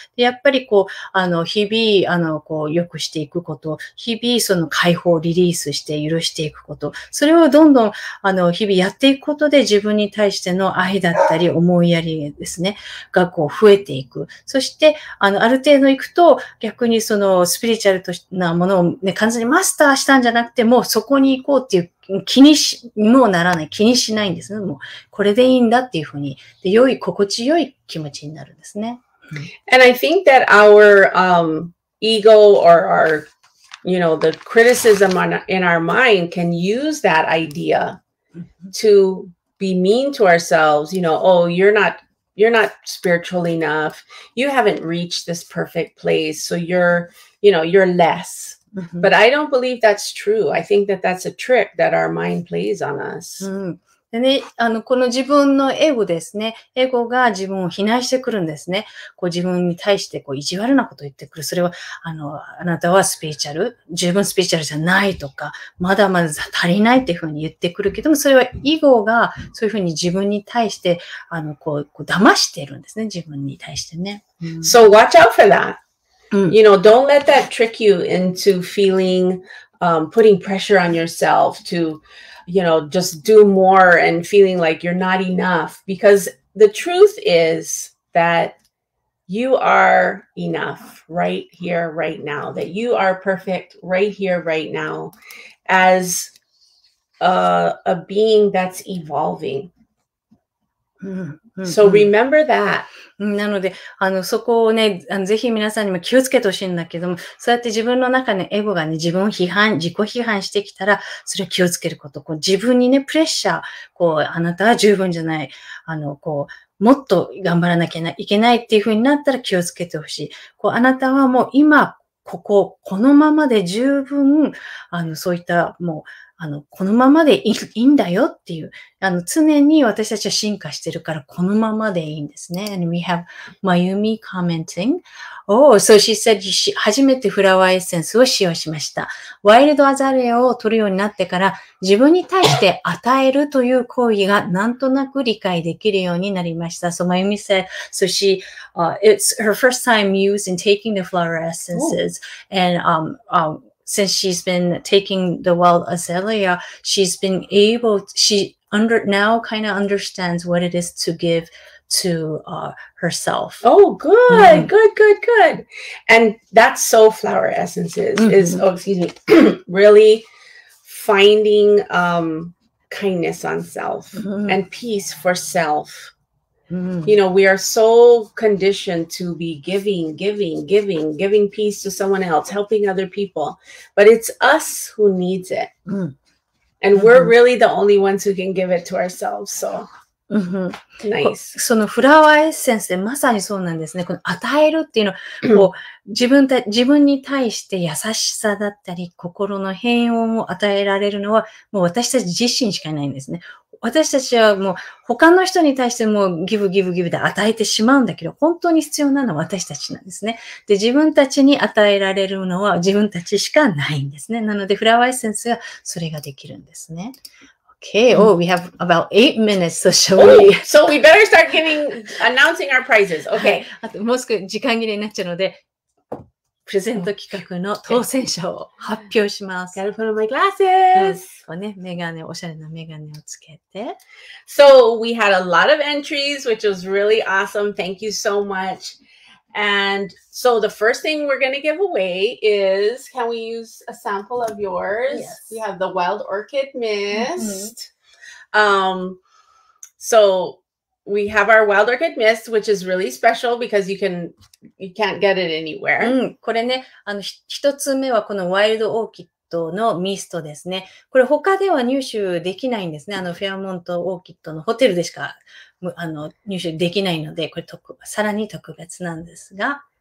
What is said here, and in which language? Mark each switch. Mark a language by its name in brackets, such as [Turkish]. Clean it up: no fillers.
[Japanese] で、やっぱりこう、日々、こう、良くしていくこと、日々、その解放リリースして許していくこと、それをどんどん日々やっていくことで自分に対しての愛だったり思いやりですねがこう増えていく。そしてある程度いくと逆にそのスピリチュアルなものをね完全にマスターしたんじゃなくてもうそこに行こうっていう気にしもうならない気にしないんですね。もうこれでいいんだっていうふうにで良い心地よい気持ちになるんですね。 [English] And I think that our ego or ourYou know, the criticism in our mind can use that idea to be mean to ourselves. You know, oh, you're not spiritual enough. You haven't reached this perfect place. So you're less. Mm-hmm. But I don't believe that's true. I think that that's a trick that our mind plays on us. Mm-hmm. [Japanese] でね、この自分のエゴですね。エゴが自分を非難してくるんですね。こう自分に対してこう意地悪なことを言ってくる。それは、あなたはスピリチュアル、十分スピリチュアルじゃないとか、まだまだ足りないっていうふうに言ってくるけども、それはエゴがそういうふうに自分に対して、こう騙しているんですね。自分に対してね。うん、 [English] so watch out for that.、うん、you know, don't let that trick you into feeling,、putting pressure on yourself to,you know, just do more and feeling like you're not enough. Because the truth is that you are enough right here, right now. That you are perfect right here, right now as a being that's evolving. So remember that. [Japanese] なので、そこをね、ぜひ皆さんにも気をつけてほしいんだけども、そうやって自分の中のエゴがね、自分を批判、自己批判してきたら、それは気をつけること。こう自分にね、プレッシャー、こう、あなたは十分じゃない、こう、もっと頑張らなきゃいけないっていうふうになったら気をつけてほしい。こう、あなたはもう今、ここ、このままで十分、そういった、もう、このままでいいんだよっていう、常に私たちは進化してるからこのままでいいんですね。 [English] And we have Mayumi commenting. Oh, so she said she [Japanese] 初めてフラワーエッセンスを使用しました。ワイルドアザレアを取るようになってから自分に対して与えるという行為がなんとなく理解できるようになりました。 [English] So Mayumi said, so she, it's her first time using taking the flower essences、oh. and, since she's been taking the wild azalea, she's been able, now kind of understands what it is to give to, herself. Oh, good, mm-hmm. good, good, good. And that's so flower essences mm-hmm. is, oh, excuse me, really finding, kindness on self mm-hmm. and peace for self. Mm-hmm. You know, we are so conditioned to be giving, giving, giving, giving peace to someone else, helping other people. But it's us who needs it. Mm-hmm. And we're really the only ones who can give it to ourselves. So,、 mm-hmm. nice. [Japanese] そのフラワーエッセンスでまさにそうなんですね。この与えるっていうのは、自分に対して優しさだったり、心の平穏を与えられるのは、もう私たち自身しかないんですね。私たちはもう他の人に対してもギブギブギブで与えてしまうんだけど、本当に必要なのは私たちなんですね。で、自分たちに与えられるのは自分たちしかないんですね。なので、フラワーエッセンスがそれができるんですね。 [English] Okay, oh, we have about 8 minutes, so shall we? Oh, so we better start giving, announcing our prizes. Okay. [Japanese] あともう少し時間切れになっちゃうので、プレゼント企画の当選者を発表します。 [English] Gotta put on my glasses!、う [Japanese] ん、こうね、メガネ、おしゃれなメガネをつけて。 [English] So, we had a lot of entries, which was really awesome. Thank you so much. And so, the first thing we're going to give away is, can we use a sample of yours? Yes. We have the wild orchid mist.、Mm-hmm. So, we have our wild orchid mist, which is really special because you can't get it anywhere. [Japanese] うん、これね、一つ目はこのワイルドオーキッドのミストですね。これ他では入手できないんですね。フェアモントオーキッドのホテルでしか、入手できないので、これさらに特別なんですが。